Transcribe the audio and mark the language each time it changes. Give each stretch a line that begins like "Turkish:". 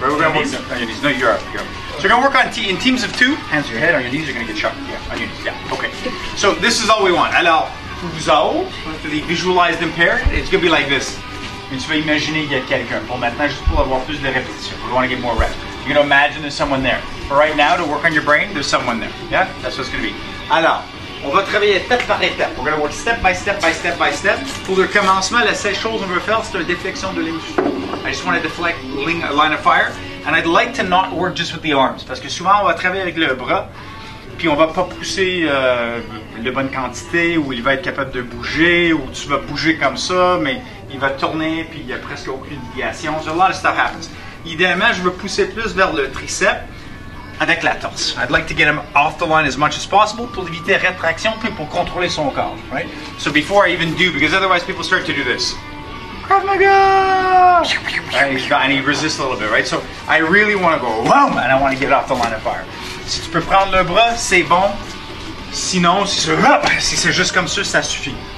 English: We're gonna work on your knees. No, you're up. So you're gonna work on in teams of two. Hands on your head. On your knees, you're gonna get shot. Yeah, on your knees. Yeah. Okay. So this is all we want.
French: Alors, vous autres,
English: for the visualized impaired, it's gonna be like this.
French: Mais tu vas imaginer qu'il y a quelqu'un. Pour maintenant, juste pour avoir plus de répétition.
English: We want to get more reps. You're gonna imagine there's someone there. For right now, to work on your brain, there's someone there. Yeah. That's what it's gonna be.
French: Alors. On va travailler étape par étape.
English: We're going to work step by step by step by step.
French: Pour le commencement, la seule chose qu'on veut faire, c'est une déflexion de ligne.
English: I just want to deflect a line of fire. And I'd like to not work just with the arms.
French: Parce que souvent, on va travailler avec le bras. Puis on va pas pousser la bonne quantité ou il va être capable de bouger ou tu vas bouger comme ça, mais il va tourner puis il n'y a presque aucune déviation.
English: A lot of stuff happens.
French: Idéalement, je veux pousser plus vers le triceps. Avec la torse.
English: I'd like to get him off the line as much as possible
French: pour éviter rétraction puis pour contrôler son corps,
English: right? So before I even do, because otherwise people start to do this. Krav Maga! Right, and he resists a little bit, right? So I really want to go, boom, and I want to get off the line of fire.
French: Si tu peux prendre le bras, c'est bon. Sinon, si c'est juste comme ça, ça suffit.